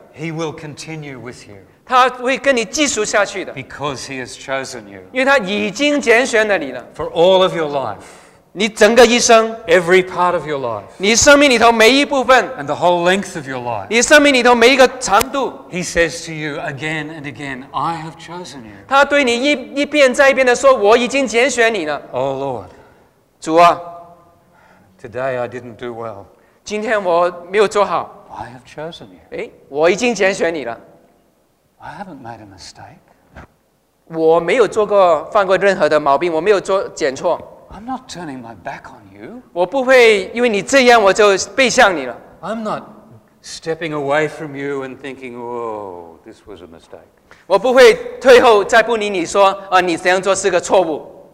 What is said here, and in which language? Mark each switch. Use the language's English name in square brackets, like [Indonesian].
[English] He will continue with you. [Chinese] 他会跟你继续下去的。 [English] Because he has chosen you. [Chinese] 因为他已经拣选了你了。 [English] For all of your life. [Chinese] 你整个一生, [English] every part of your life, [Chinese] 你生命里头每一部分, [English] and the whole length of your life, [Chinese] 你生命里头每一个长度, [English] he says to you again and again, I have chosen you. [Chinese] 他对你一遍再一遍地说, 我已经拣选你了。 [English] Oh Lord, [Chinese] 主啊, [English] today I didn't do well. [Chinese] 今天我没有做好。 [English] I have chosen you. [Chinese] 诶, 我已经拣选你了。 [English] I haven't made a mistake. [Chinese] 我没有犯过任何的毛病, 我没有做错。 [English] I'm not turning my back on you. [Chinese] 我不会因为你这样我就背向你了。 [English] I'm not stepping away from you and thinking, oh, this was a mistake. [Chinese] 我不会退后再不理你说，啊，你这样做是个错误。